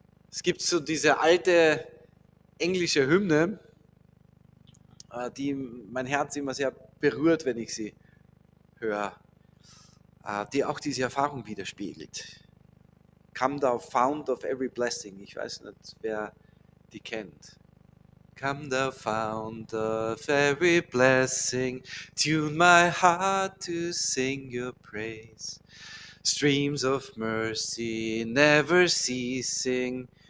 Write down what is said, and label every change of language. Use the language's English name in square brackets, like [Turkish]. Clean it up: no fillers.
[German] Es gibt so diese alte englische Hymne, die mein Herz immer sehr berührt, wenn ich sie höre, die auch diese Erfahrung widerspiegelt. [English] Come thou fount of every blessing. [German] Ich weiß nicht, wer die kennt. [English] Come thou fount of every blessing, tune my heart to sing your praise. Streams of mercy never ceasing.